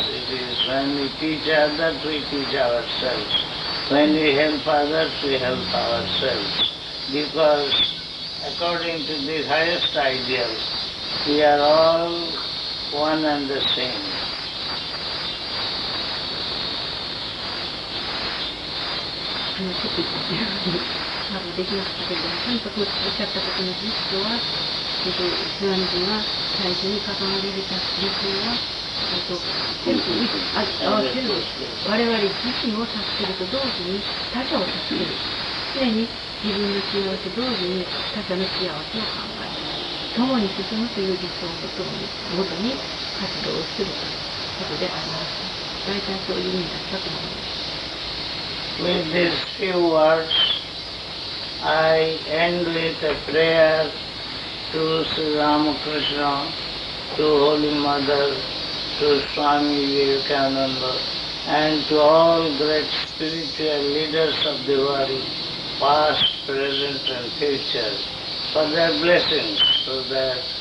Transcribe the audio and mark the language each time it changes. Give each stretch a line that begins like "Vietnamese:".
English: It is when we teach others, we teach ourselves. When we help others, we help ourselves. Because according to the highest ideal, we are all one and the same.
Japanese: できましたけど、とにかくおっしゃったときの実は、スワミジが最初に関われた理想は、我々自身を助けると同時に他者を助ける。常に自分の幸せと同時に他者の幸せを考え、共に進むという理想と共に、もとに活動をするということであります。大体そういう意味だったと思います。
English: With these few words, I end with a prayer to Sri Ramakrishna, to Holy Mother, to Swami Vivekananda, and to all great spiritual leaders of the world, past, present and future, for their blessings, so that